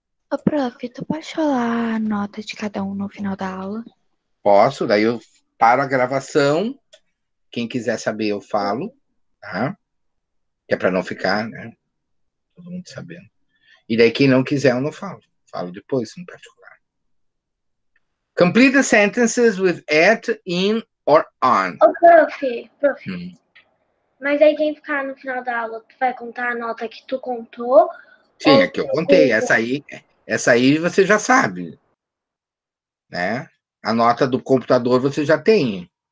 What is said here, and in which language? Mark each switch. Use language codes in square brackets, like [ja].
[pt] Ô, prof, tu pode falar a nota de cada um no final da aula? Posso, daí eu paro a gravação. Quem quiser saber, eu falo. Tá? Que é pra não ficar, né? todo mundo sabendo. E daí, quem não quiser, eu não falo. Falo depois, em particular. [en] Complete the sentences with at, in, or on. [pt] Ô, prof. Mas aí, quem ficar no final da aula, tu vai contar a nota que tu contou? Sim, é que eu contei. Essa aí você já sabe. Né? A nota do computador você já tem.